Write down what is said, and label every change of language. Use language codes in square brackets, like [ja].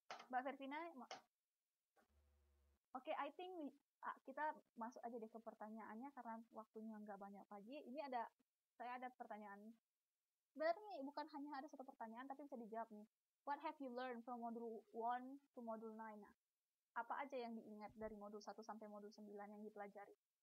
[en] Mbak Verifina, oke, okay, I think [id] Kita masuk aja deh ke pertanyaannya karena waktunya nggak banyak lagi. Ini ada, saya ada pertanyaan. Sebenarnya bukan hanya ada satu pertanyaan, tapi bisa dijawab nih. [en] What have you learned from module 1 to module 9? [id] Nah, apa aja yang diingat dari modul 1 sampai modul 9 yang dipelajari?